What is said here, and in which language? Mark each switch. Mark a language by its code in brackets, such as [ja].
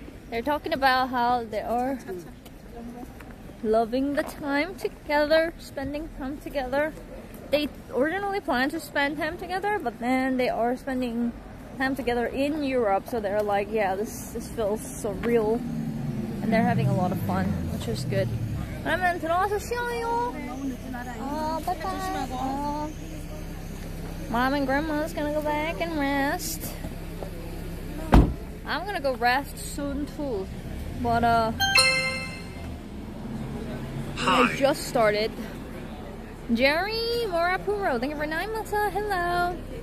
[en] They're talking about how they are loving the time together, spending time together. They originally planned to spend time together, but then they are spending time together in Europe, so they're like, yeah, this feels so real. And they're having a lot of fun, which is good. [ko] 그러면 들어와서 쉬어요. 조심하고. [en] Mom and grandma's gonna go back and rest. I'm gonna go rest soon too. But Hi. I just started. Jerry Morapuro, thank you for 9 months. Hello.